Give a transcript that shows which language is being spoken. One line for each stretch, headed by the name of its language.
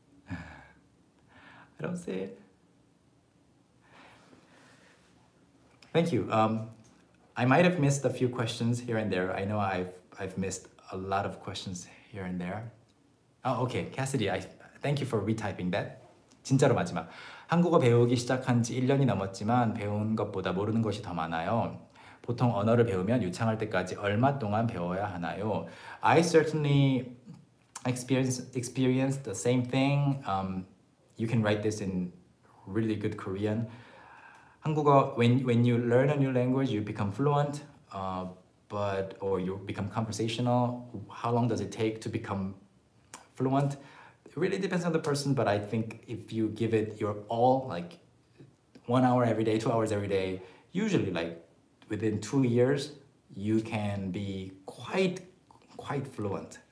English: I don't see it. Thank you. I might have missed a few questions here and there. I know I've missed a lot of questions here and there. Oh, okay. Cassidy, thank you for retyping that.
Korean: 진짜로 마지막. 한국어 배우기 시작한 지 1년이 넘었지만 배운 것보다 모르는 것이 더 많아요. 보통 언어를 배우면 유창할 때까지 얼마 동안 배워야 하나요?
English: I certainly experienced the same thing. You can write this in really good Korean. 한국어, when you learn a new language, you become fluent, or you become conversational. How long does it take to become fluent? It really depends on the person, but I think if you give it your all, like 1 hour every day, 2 hours every day, usually like within 2 years, you can be quite fluent.